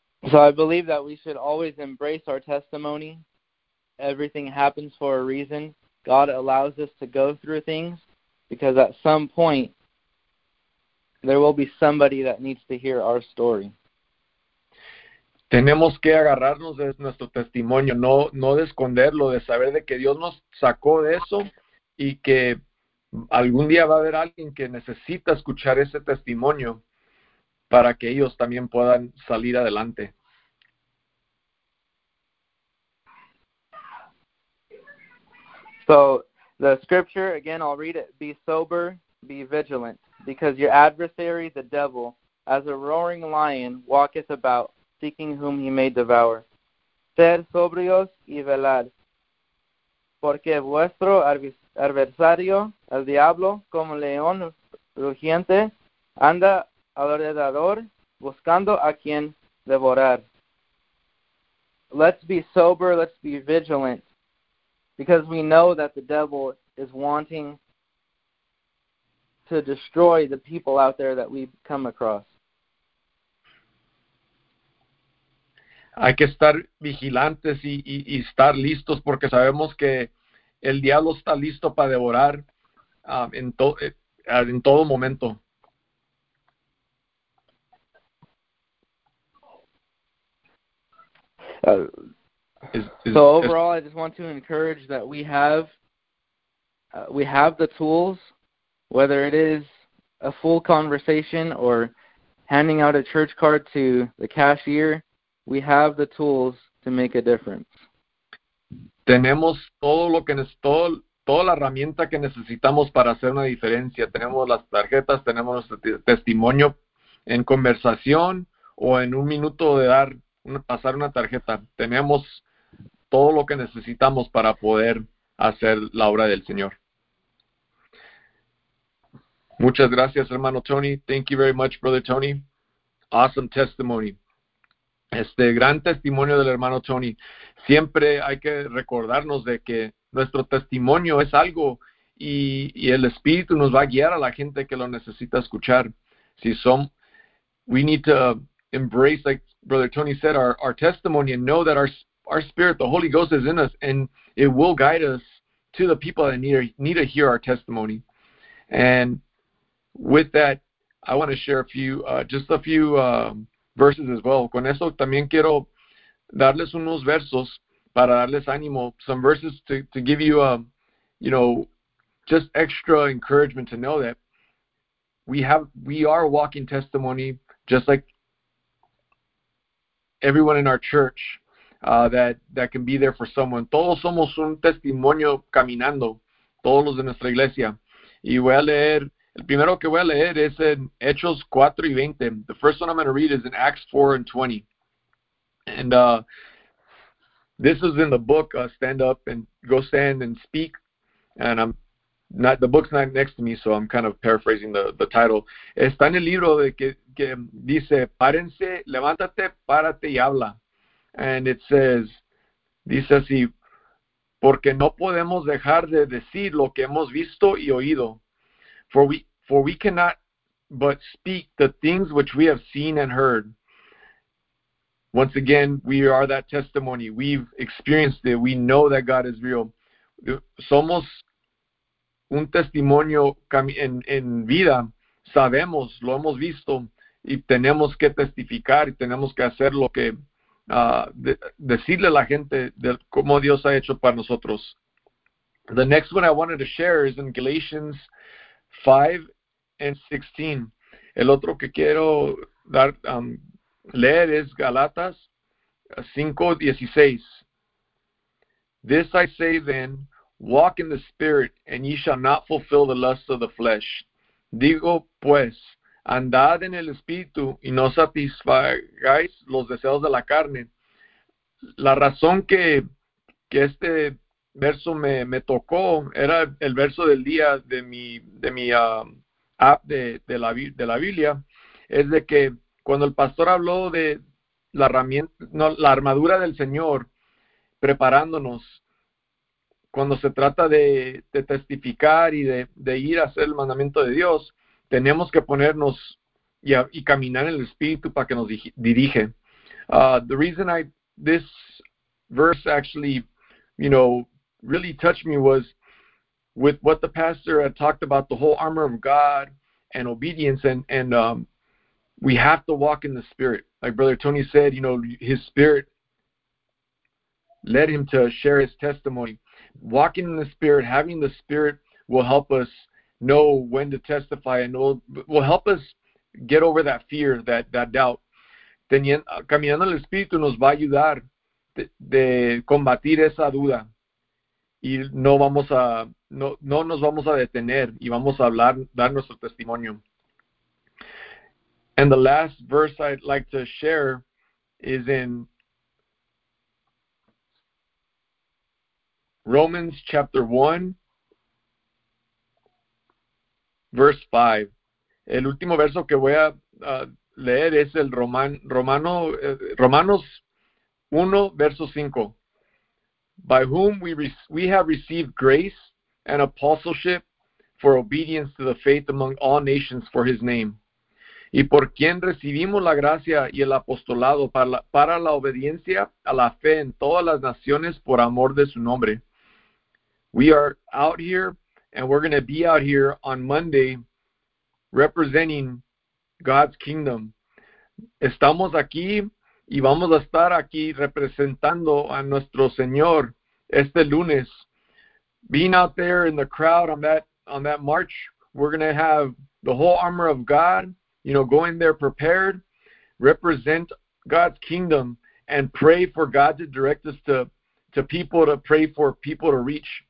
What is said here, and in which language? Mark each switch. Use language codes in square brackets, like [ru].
[en] So I believe that we should always embrace our testimony. Everything happens for a reason. God allows us to go through things because at some point there will be somebody that needs to hear our story. [es] Tenemos que agarrarnos de nuestro testimonio, no de esconderlo, de saber de que Dios nos sacó de eso y que algún día va a haber alguien que necesita escuchar ese testimonio para que ellos también puedan salir adelante. [en] So the scripture, again, I'll read it. Be sober, be vigilant, because your adversary, the devil, as a roaring lion, walketh about, seeking whom he may devour. [es] Sed sobrios y velad, porque vuestro adversario, el diablo, como león rugiente, anda alrededor buscando a quien devorar. [en] Let's be sober, let's be vigilant. Because we know that the devil is wanting to destroy the people out there that we've come across. [es] Hay que estar vigilantes y estar listos porque sabemos que el diablo está listo para devorar en todo momento. [en] So overall, I just want to encourage that we have the tools, whether it is a full conversation or handing out a church card to the cashier, we have the tools to make a difference. [es] Tenemos toda la herramienta que necesitamos para hacer una diferencia. Tenemos las tarjetas, tenemos nuestro testimonio en conversación o en un minuto de pasar una tarjeta. Tenemos todo lo que necesitamos para poder hacer la obra del Señor. Muchas gracias, hermano Tony. [en] Thank you very much, brother Tony. Awesome testimony. [es] Este gran testimonio del hermano Tony. Siempre hay que recordarnos de que nuestro testimonio es algo y el Espíritu nos va a guiar a la gente que lo necesita escuchar. [en] We need to embrace, like brother Tony said, our testimony and know that our spirit, the Holy Ghost, is in us and it will guide us to the people that need to hear our testimony. And with that, I want to share a few, just a few verses as well. [es] Con eso también quiero darles unos versos para darles ánimo, [en] some verses to give you, you know, just extra encouragement to know that we are walking testimony, just like everyone in our church that can be there for someone. [es] Todos somos un testimonio caminando, todos los de nuestra iglesia. Y voy a leer, el primero que voy a leer es en Hechos 4 y 20. [en] The first one I'm going to read is in Acts 4 and 20. And this is in the book, Stand Up and Go Stand and Speak. And the book's not next to me, so I'm kind of paraphrasing the title. [es] Está en el libro de que dice, párense, levántate, párate y habla. [en] And it says, [es] dice así, porque no podemos dejar de decir lo que hemos visto y oído. [en] For we cannot but speak the things which we have seen and heard. Once again, we are that testimony. We've experienced it. We know that God is real. [es] Somos un testimonio en vida. Sabemos, lo hemos visto, y tenemos que testificar, y tenemos que hacer lo que decirle a la gente de cómo Dios ha hecho para nosotros. [en] The next one I wanted to share is in Galatians 5 and 16. [es] El otro que quiero dar leer es Galatas 5:16. [en] This I say then, walk in the Spirit, and ye shall not fulfill the lust of the flesh. [es] Digo pues, andad en el Espíritu, y no satisfagáis los deseos de la carne. La razón que este verso me tocó era el verso del día de mi app de la Biblia, es de que cuando el pastor habló de la herramienta, no, la armadura del Señor, preparándonos, cuando se trata de testificar y de ir a hacer el mandamiento de Dios, tenemos que ponernos y caminar en el Espíritu para que nos dirige. [en] The reason this verse actually, you know, really touched me was with what the pastor had talked about, the whole armor of God and obedience, and we have to walk in the Spirit. Like Brother Tony said, you know, his Spirit led him to share his testimony. Walking in the Spirit, having the Spirit, will help us know when to testify, and will help us get over that fear, that doubt. [es] Caminando en el Espíritu nos va a ayudar de combatir esa duda, y no nos vamos a detener, y vamos a hablar, dar nuestro testimonio. [en] And the last verse I'd like to share is in Romans chapter 1, verse 5. [es] El último verso que voy a leer es el Romanos 1, verso 5. [en] By whom we have received grace and apostleship for obedience to the faith among all nations for his name. [es] Y por quien recibimos la gracia y el apostolado para la obediencia a la fe en todas las naciones por amor de su nombre. [en] We are out here, and we're going to be out here on Monday representing God's kingdom. [es] Estamos aquí y vamos a estar aquí representando a nuestro Señor este lunes. [en] Being out there in the crowd on that march, we're going to have the whole armor of God. You know, go in there prepared, represent God's kingdom, and pray for God to direct us to people, to pray for people to reach.